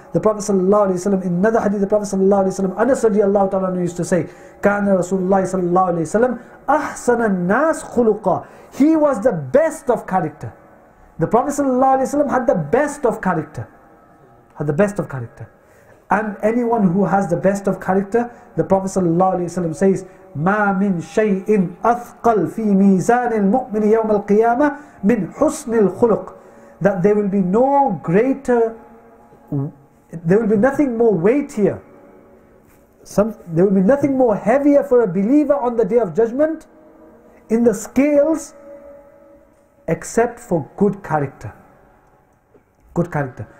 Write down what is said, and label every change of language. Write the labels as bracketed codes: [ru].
[en] The Prophet صلى الله عليه وسلم, in another hadith, the Prophet صلى الله عليه وسلم, Anas رضي الله تعالى عنه used to say, [ar] كان رسول الله صلى الله عليه وسلم أحسن الناس خلقا. [en] He was the best of character. The Prophet صلى الله عليه وسلم had the best of character. Had the best of character. And anyone who has the best of character, the Prophet صلى الله عليه وسلم says, [ar] مَا مِنْ شَيْءٍ أَثْقَلْ فِي مِيزَانِ الْمُؤْمِنِ يَوْمَ الْقِيَامَةِ مِنْ حُسْنِ الْخُلُقِ. [en] That there will be no greater, there will be nothing more weightier, there will be nothing more heavier for a believer on the Day of Judgment in the scales except for good character. Good character.